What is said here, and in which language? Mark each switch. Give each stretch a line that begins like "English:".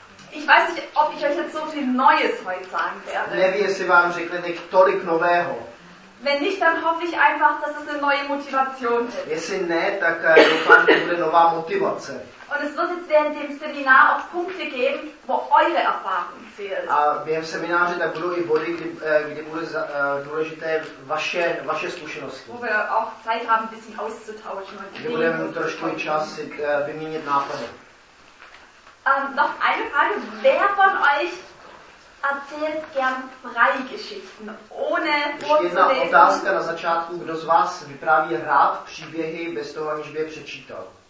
German: Ich weiß nicht, ob ich euch jetzt so viel Neues heute sagen werde.
Czech: Nevím, jestli vám řekne teď tolik nového.
German: Wenn nicht, dann hoffe ich einfach, dass es eine neue Motivation ist.
Czech: Jestli ne, tak doufám, že bude nová motivace.
German: Und es wird jetzt während dem Seminar auch Punkte geben, wo eure Erfahrung zählt.
Czech: A během semináře tak budou i body, kdy bude důležité vaše zkušenosti.
German: Wo wir auch Zeit haben, ein bisschen auszutauschen.
Czech: Kdy budeme trošku čas vyměnit nápady.
German: Noch eine Frage, wer von euch erzählt gern freie Geschichten, ohne vorzulesen?
Czech: Ještě jedna otázka na začátku, kdo z vás vypráví rád příběhy bez toho, aniž by je přečítal?